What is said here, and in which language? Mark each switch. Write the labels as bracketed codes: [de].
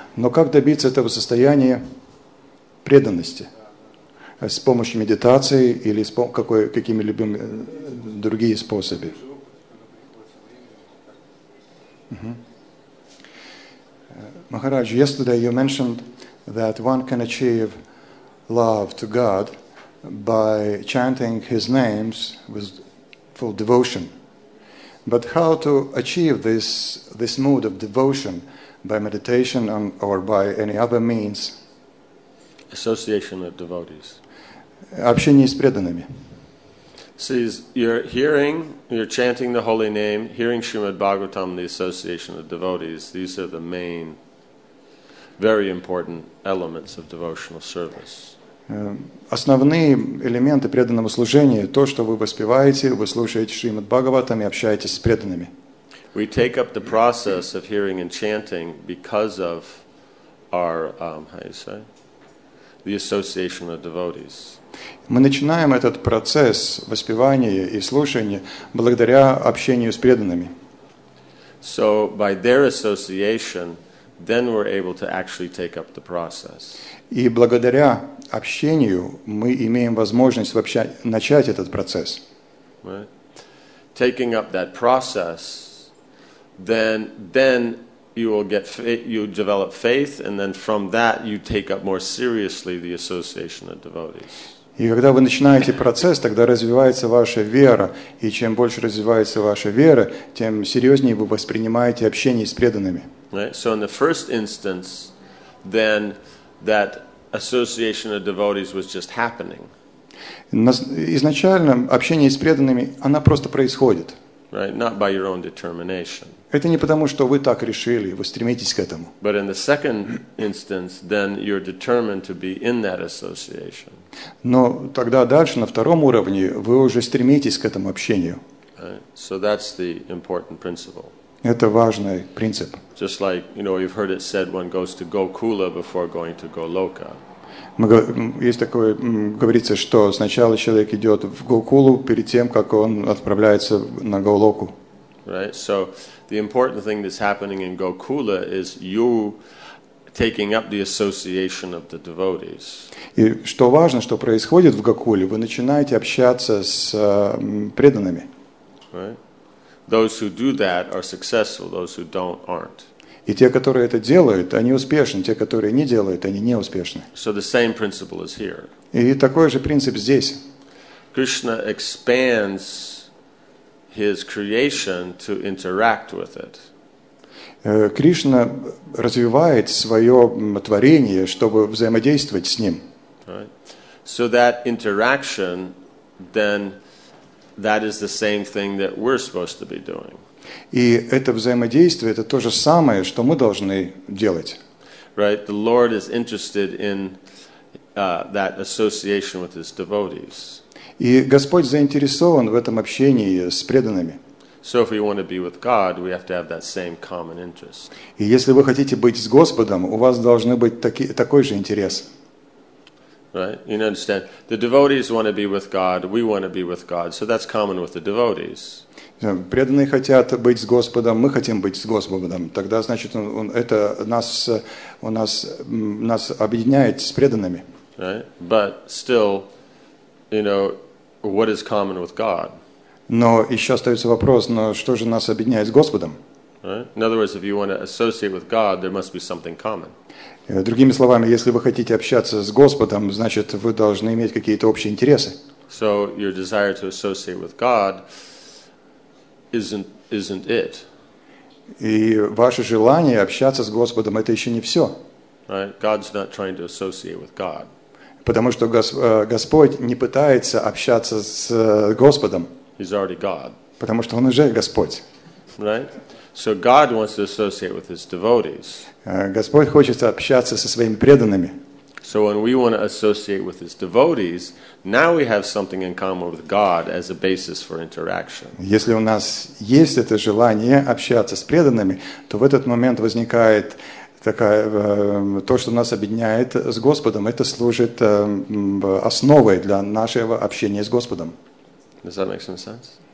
[ru] Но как добиться этого состояния преданности? С помощью медитации или с какими-либо другими способами? [en] Махарадж, yesterday you mentioned that one can achieve love to God by chanting His names with full devotion. But how to achieve this mood of devotion by meditation or by any other means? Association of devotees. [ru] Общение с преданными. [en] See, you're chanting the holy name, hearing Srimad Bhagavatam, the association of devotees. These are the main, very important elements of devotional service. [ru] Основные элементы преданного служения – то, что вы воспеваете, вы слушаете Шримад Бхагаватам и общаетесь с преданными. [en] We take up the process of hearing and chanting because of our, how you say, the association of devotees. [ru] Мы начинаем этот процесс воспевания и слушания благодаря общению с преданными. [en] So by their association, then we're able to actually take up the process. [ru] И благодаря общению мы имеем возможность вообще начать этот процесс. [en] Right. Taking up that process, then you will get you develop faith, and then from that you take up more seriously the association of devotees. [ru] И когда вы начинаете процесс, тогда развивается ваша вера, и чем больше развивается ваша вера, тем серьезнее вы воспринимаете общение с преданными. [en] Right. So in the first instance, then that association of devotees was just happening. [ru] Изначально общение с преданными, оно просто происходит. [en] Right, not by your own determination. [ru] Это не потому, что вы так решили, вы стремитесь к этому. [en] But in the second instance, then you're determined to be in that association. [ru] Но тогда дальше, на втором уровне, вы уже стремитесь к этому общению. [en] Right. So that's the important principle. [ru] Это важный принцип. [en] Just like, you know, you've heard it said, one goes to Gokula before going to Goloka. [ru] Есть такое, говорится, что сначала человек идет в Гокулу перед тем, как он отправляется на Голоку. [en] Right. So the important thing that's happening in Gokula is you taking up the association of the devotees. [ru] И что важно, что происходит в Гокуле, вы начинаете общаться с преданными. [en] Right. Those who do that are successful, those who don't aren't. [ru] И те, которые это делают, они успешны, те, которые не делают, они не успешны. [en] So the same principle is here. [ru] И такой же принцип здесь. [en] Krishna expands his creation to interact with it. [ru] Кришна развивает свое творение, чтобы взаимодействовать с ним. [en] Right. So that interaction then that is the same thing that we're supposed to be doing. [ru] И это взаимодействие, это то же самое, что мы должны делать. [en] Right, the Lord is interested in that association with His devotees. [ru] И Господь заинтересован в этом общении с преданными. [en] So if we want to be with God, we have to have that same common interest. [ru] И если вы хотите быть с Господом, у вас должны быть такой же интерес. [en] Right, you understand. The devotees want to be with God. We want to be with God. So that's common with the devotees. [ru] Преданные хотят быть с Господом. Мы хотим быть с Господом. Тогда значит, это нас объединяет с преданными. [en] Right, but still, you know, what is common with God? [ru] Но еще остается вопрос: но что же нас объединяет с Господом? [en] Right? In other words, if you want to associate with God, there must be something common. [ru] Другими словами, если вы хотите общаться с Господом, значит, вы должны иметь какие-то общие интересы. [en] So your desire to associate with God isn't it. [ru] И ваше желание общаться с Господом – это еще не все. [en] Right? God's not trying to associate with God. [ru] Потому что Господь не пытается общаться с Господом. [en] He's already God. [ru] Потому что Он уже Господь. [en] Right? So God wants to associate with His devotees. [ru] Господь хочет общаться со своими преданными. [en] So when we want to associate with His devotees, now we have something in common with God as a basis for interaction. [ru] Если у нас есть это желание общаться с преданными, то в этот момент возникает такая то, что нас объединяет с Господом, это служит основой для нашего общения с Господом. [en] Does that make some sense?